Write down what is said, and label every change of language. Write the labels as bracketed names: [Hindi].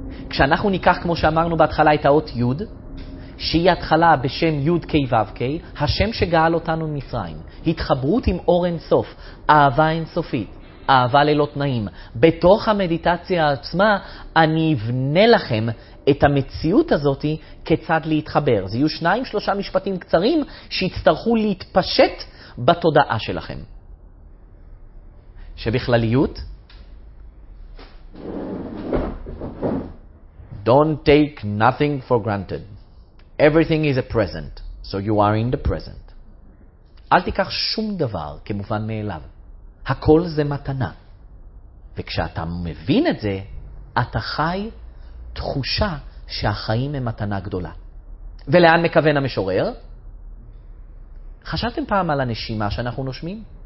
[Hebrew] כשאנחנו ניקח, כמו שאמרנו בהתחלה, את האות יוד, שהיא התחלה בשם יוד קי וו קי, השם שגאל אותנו ממצרים, התחברות עם אור אינסוף, אהבה אינסופית, אהבה ללא תנאים. בתוך המדיטציה עצמה, אני אבנה לכם את המציאות הזאת כיצד להתחבר. זה יהיו שניים, שלושה משפטים קצרים שיצטרכו להתפשט בתודעה שלכם. שבכלליות, [English] don't take nothing for granted. Everything is a present, so you are in the present. [Hebrew] אל תיקח שום דבר כמובן מאליו. הכל זה מתנה. וכשאתה מבין את זה, אתה חי תחושה שהחיים הם מתנה גדולה. ולאן מכוון המשורר? חשבתם פעם על הנשימה שאנחנו נושמים?